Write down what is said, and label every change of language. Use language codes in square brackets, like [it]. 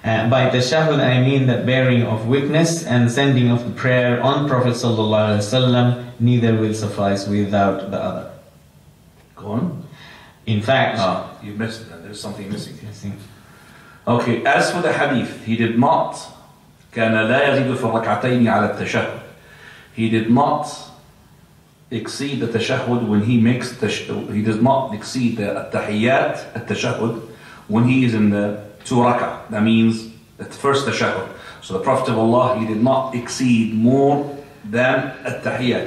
[en] By tashahhud, I mean that bearing of witness and sending of the prayer on Prophet sallallahu alaihi wasallam, neither will suffice without the other. Go on. In fact, you missed that. There's something missing. Missing. Okay. As for the hadith, he did not. [ar] كان لا يزيد في ركعتين على التشهد. [en] He did not exceed the tashahhud when he makes tashahhud. He does not exceed the attahiyyat, at-tashahhud, when he is in the two rak'ah. That means the first tashahhud. So the Prophet of Allah, he did not exceed more than attahiyyat.